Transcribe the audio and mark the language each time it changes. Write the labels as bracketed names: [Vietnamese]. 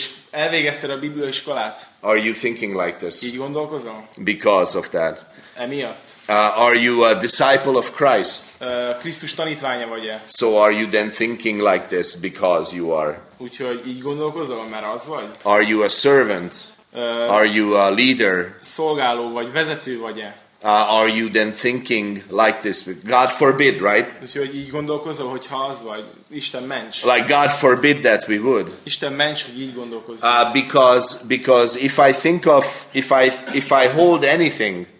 [Hungarian] Elvégezted a bibliai iskolát? [English] Are you thinking like this? [Hungarian] Így gondolkozom? [English] Because of that. [Hungarian] Emiatt. [English] Are you a disciple of Christ? [Hungarian] Krisztus tanítványa vagy-e? [English] So are you then thinking like this because you are? [Hungarian] Úgyhogy így gondolkozol, mert az vagy? [English] Are you a servant? Are you a leader? [Hungarian] Szolgáló vagy, vezető vagy-e? [English] Are you then thinking like this? God forbid, right? [Hungarian] Úgyhogy így gondolkozol, hogyha az vagy, Isten ments. [English] Like God forbid that we would. [Hungarian] Isten ments, hogy így gondolkozol. [English] Because if I think of, if I hold anything,